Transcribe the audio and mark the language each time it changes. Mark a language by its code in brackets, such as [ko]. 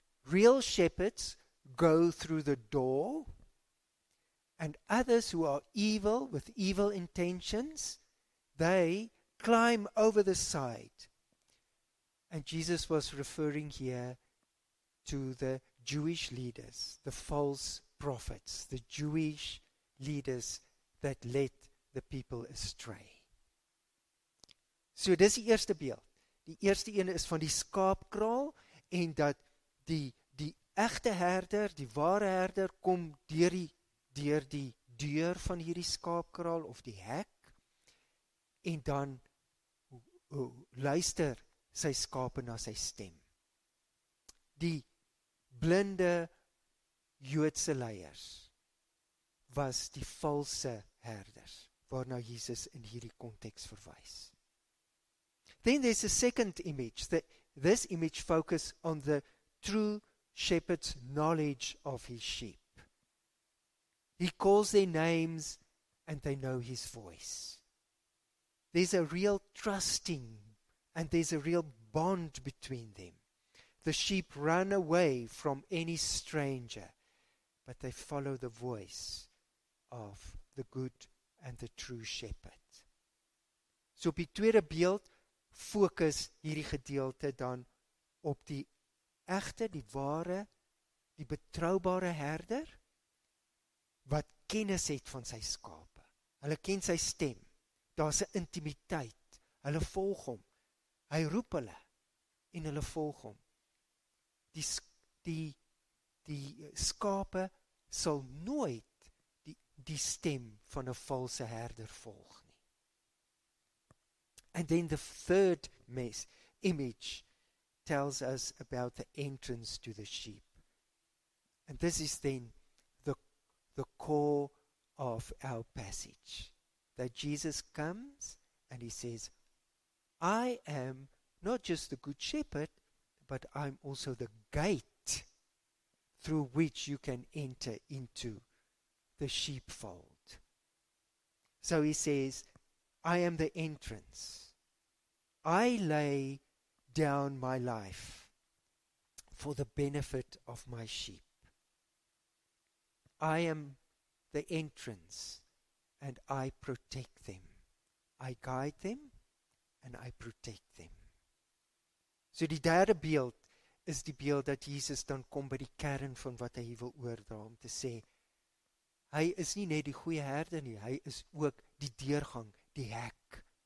[en] Real shepherds go through the door, and others who are evil, with evil intentions, they climb over the side. And Jesus was referring here to the Jewish leaders, the false prophets, the Jewish leaders that led the people astray. [af] So dis die eerste beeld. Die eerste een is van die skaapkraal en dat die egte herder, die ware herder, kom deur die deur van hierdie skaapkraal of die hek en dan luister sy skape na sy stem. Die blinde Joodse leiers was die valse herders waarna Jesus in hierdie konteks verwys. [en] Then there's a second image. This image focuses on the true shepherd's knowledge of his sheep. He calls their names and they know his voice. There's a real trusting and there's a real bond between them. The sheep run away from any stranger, but they follow the voice of the good and the true shepherd. [af] So op die tweede beeld, fokus hierdie gedeelte dan op die egte, die ware, die betroubare herder wat kennis het van sy skape. Hulle ken sy stem. Daar's 'n intimiteit. Hulle volg hom. Hy roep hulle en hulle volg hom. Die skape sal nooit die stem van 'n valse herder volg. [en] And then the third image tells us about the entrance to the sheep. And this is then the core of our passage. That Jesus comes and he says, I am not just the good shepherd, but I'm also the gate through which you can enter into the sheepfold. So he says, I am the entrance. I lay down my life for the benefit of my sheep. I am the entrance and I protect them. I guide them and I protect them. [af] So die derde beeld is die beeld dat Jesus dan kom by die kern van wat hy wil oordra om te sê, hy is nie net die goeie herder nie, hy is ook die deurgang, die hek.